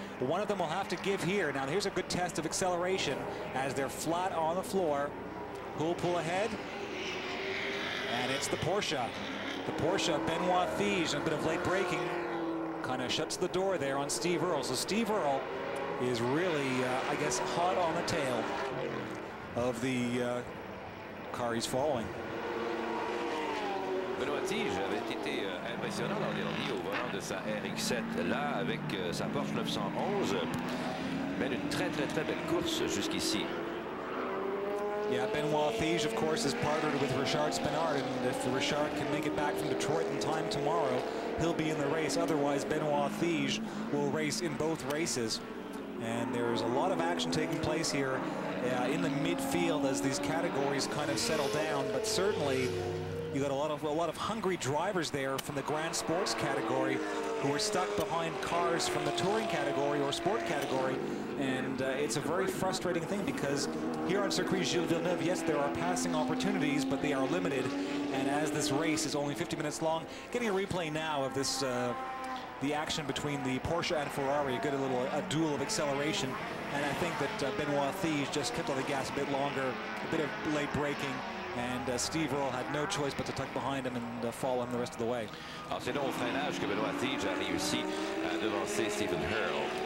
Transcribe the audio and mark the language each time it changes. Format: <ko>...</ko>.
<en>One of them will have to give here. Now here's a good test of acceleration as they're flat on the floor. Who'll pull ahead? And it's the Porsche. The Porsche, Benoit Thiege, a bit of late braking, kind of shuts the door there on Steve Earle. So Steve Earle is really, I guess, hot on the tail of the car he's following.</en> <fr>Benoit Thiege avait été impressionnant l'an dernier au volant de sa RX7 là avec sa Porsche 911. Mais une très très très belle course jusqu'ici.</fr> <en>Yeah, Benoit Thiege, of course, is partnered with Richard Spinard, and if Richard can make it back from Detroit in time tomorrow, he'll be in the race. Otherwise, Benoit Thiege will race in both races. And there's a lot of action taking place here in the midfield as these categories kind of settle down, but certainly you got a lot of hungry drivers there from the Grand Sports category who are stuck behind cars from the Touring category or Sport category. And it's a very frustrating thing, because here on Circuit Gilles Villeneuve, yes, there are passing opportunities, but they are limited. And as this race is only 50 minutes long, getting a replay now of this, the action between the Porsche and Ferrari, a good little a duel of acceleration. And I think that Benoit Thiege just kept on the gas a bit longer, a bit of late braking. And Steve Earle had no choice but to tuck behind him and follow him the rest of the way.</en> <fr>Alors c'est donc au freinage que Benoit Thiege a réussi à devancer Stephen Earle.</fr>